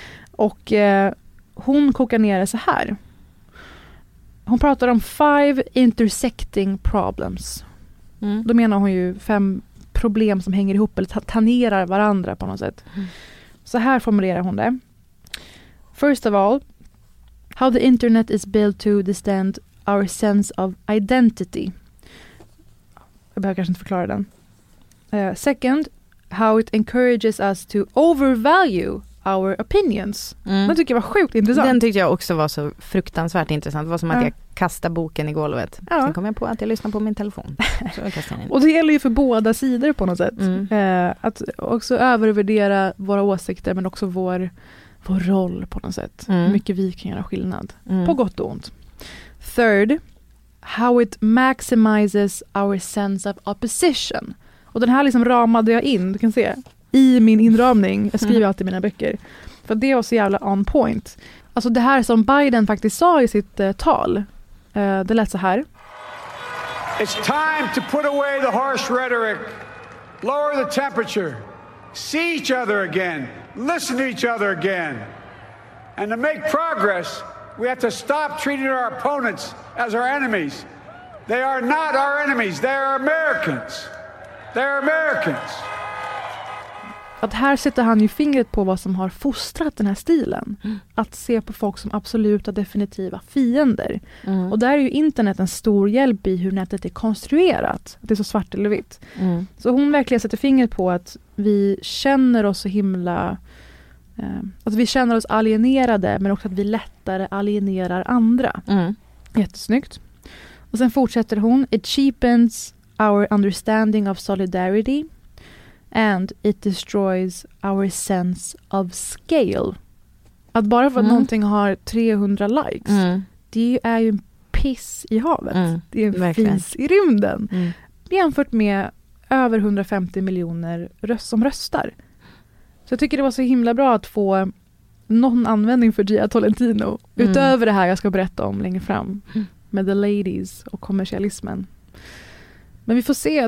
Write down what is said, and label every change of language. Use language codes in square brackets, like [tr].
[sv] Och hon kokar ner det så här. Hon pratar om 5 [en] intersecting problems. [sv] Då menar hon ju 5 problem som hänger ihop eller tangerar varandra på något sätt. Så här formulerar hon det. [en] First of all, how the internet is built to distend our sense of identity. [sv] Jag behöver kanske inte förklara den. [en] Second, how it encourages us to overvalue our opinions. [sv] Den tycker jag var sjukt intressant. Den tyckte jag också var så fruktansvärt intressant. Det var som att jag kastade boken i golvet. Ja. Sen kom jag på att jag lyssnade på min telefon. Och det gäller ju för båda sidor på något sätt. Mm. Att också övervärdera våra åsikter, men också vår roll på något sätt. Mm. Hur mycket vi kan göra skillnad. Mm. På gott och ont. [en] Third, how it maximizes our sense of opposition. [sv] Och den här liksom ramade jag in, du kan se, i min inramning. Jag skriver alltid mina böcker. För det var så jävla [en] on point. [sv] Alltså det här som Biden faktiskt sa i sitt tal, det lät så här. [en] It's time to put away the harsh rhetoric. Lower the temperature. See each other again. Listen to each other again. And to make progress, we have to stop treating our opponents as our enemies. They are not our enemies. They are Americans. They are Americans. [sv] Att här sätter han ju fingret på vad som har fostrat den här stilen. Att se på folk som absoluta, definitiva fiender. Mm. Och där är ju internet en stor hjälp i hur nätet är konstruerat. Det är så svart eller vitt. Mm. Så hon verkligen sätter fingret på att vi känner oss så himla... att vi känner oss alienerade, men också att vi lättare alienerar andra. Mm. Jättesnyggt. Och sen fortsätter hon. [en] It cheapens our understanding of solidarity and it destroys our sense of scale. [sv] Att bara för att någonting har 300 likes, det är ju en piss i havet. Mm. Det är en fis i rymden. Mm. Jämfört med över 150 miljoner som röstar. Så jag tycker det var så himla bra att få någon användning för Gia Tolentino utöver det här jag ska berätta om längre fram med [en] the ladies [sv] och kommersialismen. Men vi får se.